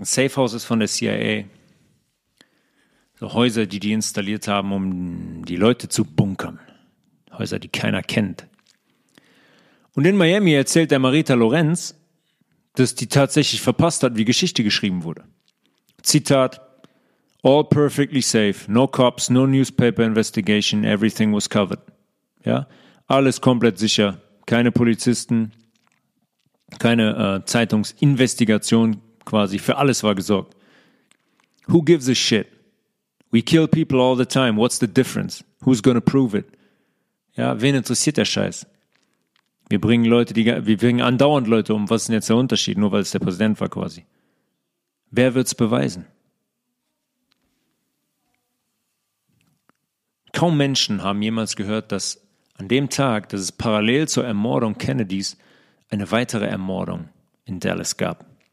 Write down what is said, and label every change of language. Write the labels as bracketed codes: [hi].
[de] Ein Safehouse ist von der CIA. So Häuser, die installiert haben, um die Leute zu bunkern. Häuser, die keiner kennt. Und in Miami erzählt der Marita Lorenz, dass die tatsächlich verpasst hat, wie Geschichte geschrieben wurde. [en] Zitat: All perfectly safe, no cops, no newspaper investigation, everything was covered. [de] Ja, alles komplett sicher, keine Polizisten, keine Zeitungsinvestigation quasi, für alles war gesorgt. [en] Who gives a shit? We kill people all the time, what's the difference? Who's gonna prove it? [de] Ja, wen interessiert der Scheiß? Wir bringen andauernd Leute um. Was ist denn jetzt der Unterschied? Nur weil es der Präsident war quasi. Wer wird's beweisen? Kaum Menschen haben jemals gehört, dass an dem Tag, dass es parallel zur Ermordung Kennedys eine weitere Ermordung in Dallas gab.